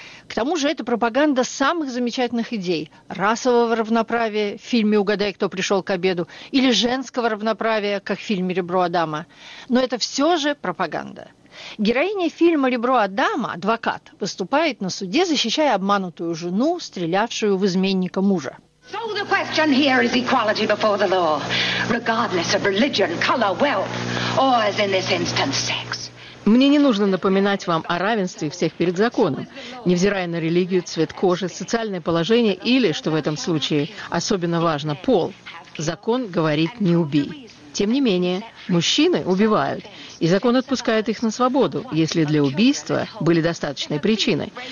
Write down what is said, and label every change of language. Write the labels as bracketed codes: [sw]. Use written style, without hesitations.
[ru] К тому же это пропаганда самых замечательных идей – расового равноправия в фильме «Угадай, кто пришел к обеду» или женского равноправия, как в фильме «Ребро Адама». Но это все же пропаганда. Героиня фильма «Ребро Адама», адвокат, выступает на суде, защищая обманутую жену, стрелявшую в изменника мужа. [en] So the question here is equality before the law, regardless of religion, color, wealth, or, as in this instance, sex. [ru] Мне не нужно напоминать вам о равенстве всех перед законом, невзирая на религию, цвет кожи, социальное положение или, что в этом случае особенно важно, пол. Закон говорит «не убий». Тем не менее, мужчины убивают, и закон отпускает их на свободу, если для убийства были достаточные причины.